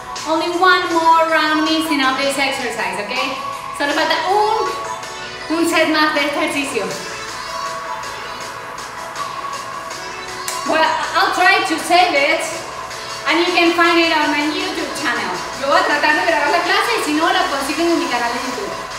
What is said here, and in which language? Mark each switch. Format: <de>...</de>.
<en>Only one more round missing of this exercise, okay?</en> <es>Solo falta un set más de este ejercicio.</es> <en>Well, I'll try to save it, and you can find it on my YouTube channel.</en> <es>Yo voy a tratar de grabar la clase, y si no, la consiguen en mi canal de YouTube.</es>